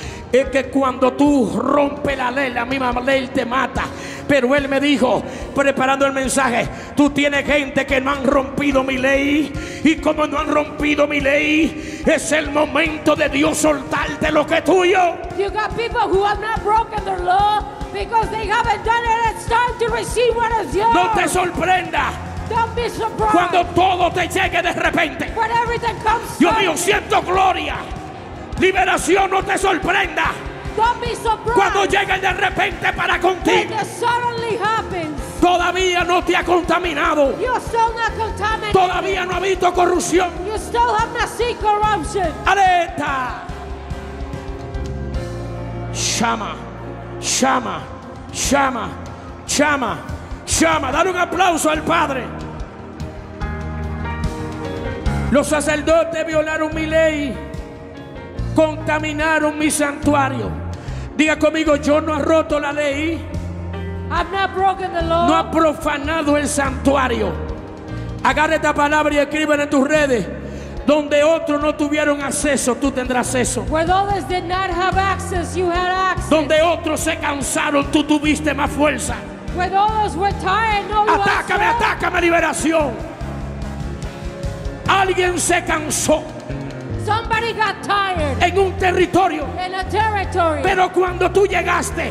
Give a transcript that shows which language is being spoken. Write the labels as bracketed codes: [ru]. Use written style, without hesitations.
[es] Es que cuando tú rompes la ley, la misma ley te mata. Pero él me dijo, preparando el mensaje, tú tienes gente que no han rompido mi ley. Y como no han rompido mi ley, es el momento de Dios soltarte lo que es tuyo. [en] You got people who have not broken their law because they haven't done it. It's time to receive what is yours. [es] No te sorprenda. [en] Don't be surprised. [es] Cuando todo te llegue de repente. [en] When everything comes to you. [es] Dios mío, siento gloria. Liberación, no te sorprenda. [en] Don't be surprised. [es] Cuando llegue de repente para contigo. [en] When it suddenly happens. [es] Todavía no te ha contaminado. [en] You're still not contaminated. [es] Todavía no ha visto corrupción. [en] You still have not seen corruption. [es] Aleta. Llama, llama, llama, llama, llama. Dale un aplauso al Padre. Los sacerdotes violaron mi ley. Contaminaron mi santuario. Diga conmigo, yo no he roto la ley. [en] I've not broken the law. [es] No ha profanado el santuario. Agarra esta palabra y escríbela en tus redes. Donde otros no tuvieron acceso, tú tendrás acceso. [en] Where others did not have access, you had access. [es] Donde otros se cansaron, tú tuviste más fuerza. [en] Where others were tired, no. [es] Atácame, atácame, liberación. Alguien se cansó. [en] Somebody got tired. [es] En un territorio. [en] In a territory. [es] Pero cuando tú llegaste,